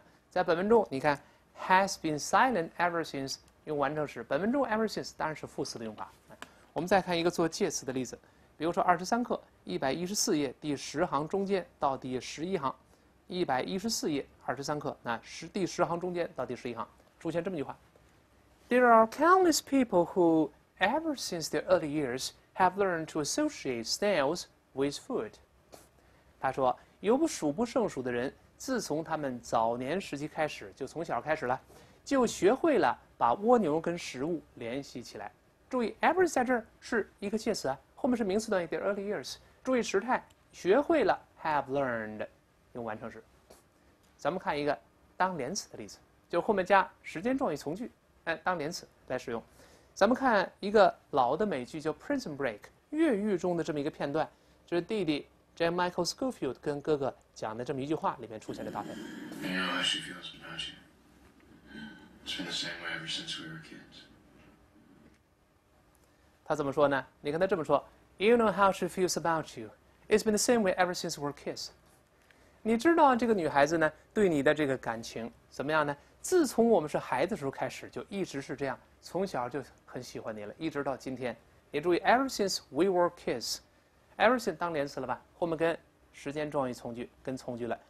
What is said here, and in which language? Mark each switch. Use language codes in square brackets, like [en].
[zh] 在本文中，你看 [en] has been silent ever since [zh] 用完成时，本文中 ever since 当然是副词的用法。我们再看一个做介词的例子，比如说23课114页第10行中间到第11行，114页23课，那第10行中间到第11行出现这么一句话。 [en] There are countless people who, ever since their early years, have learned to associate snails with food. [zh] 他说，有数不胜数的人，自从他们早年时期开始，就从小开始了，就学会了把蜗牛跟食物联系起来。注意 ,ever 在这儿是一个介词，后面是名词短语 , [en] their early years。 [zh] 注意时态，学会了 [en] have learned, [zh] 用完成时。咱们看一个当连词的例子，就后面加时间状语从句。当连词来使用，咱们看一个老的美剧叫 Prison Break 越狱中的这么一个片段，就是弟弟 J. Michael Scofield 跟哥哥讲的这么一句话里面出现的搭配。 [en] You know how she feels about you? It's been the same way ever since we were kids. [zh] 他怎么说呢？你看他这么说， [en] You know how she feels about you? It's been the same way ever since we were kids. [zh] 你知道这个女孩子呢对你的这个感情怎么样呢？自从我们是孩子的时候开始，就一直是这样，从小就很喜欢你了，一直到今天。也注意 ， [en] ever since we were kids， [zh] ever since 当连词了吧？后面跟时间状语从句，跟从句了。